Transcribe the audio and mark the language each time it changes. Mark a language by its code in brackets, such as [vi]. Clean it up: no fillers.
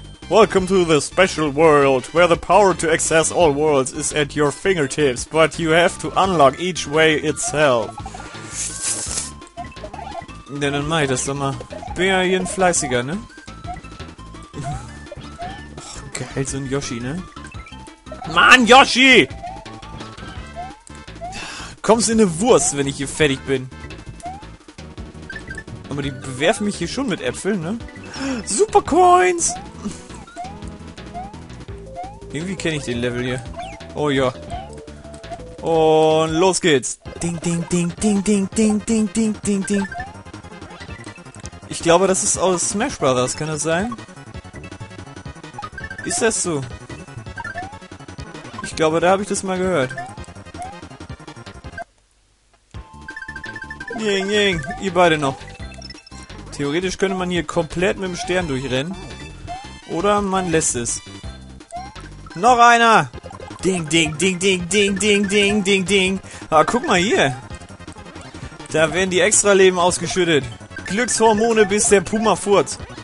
[en] Welcome to the special world, where the power to access all worlds is at your fingertips, but you have to unlock each way itself. [de] Ja, dann mach ich das doch mal. Bin ja hier ein Fleißiger, ne? Ach, geil, so ein Yoshi, ne? Mann, Yoshi! Kommst in eine Wurst, wenn ich hier fertig bin. Aber die bewerfen mich hier schon mit Äpfeln, ne? Supercoins! Irgendwie kenne ich den Level hier. Oh ja. Und los geht's. Ding, ding, ding, ding, ding, ding, ding, ding, ding, ding. Ich glaube, das ist aus Smash Brothers, kann das sein? Ist das so? Ich glaube, da habe ich das mal gehört. Ding, ding, ihr beide noch. Theoretisch könnte man hier komplett mit dem Stern durchrennen. Oder man lässt es. Noch einer! Ding, ding, ding, ding, ding, ding, ding, ding, ding. Ah, guck mal hier. Da werden die Extra-Leben ausgeschüttet. Glückshormone bis der Puma furzt.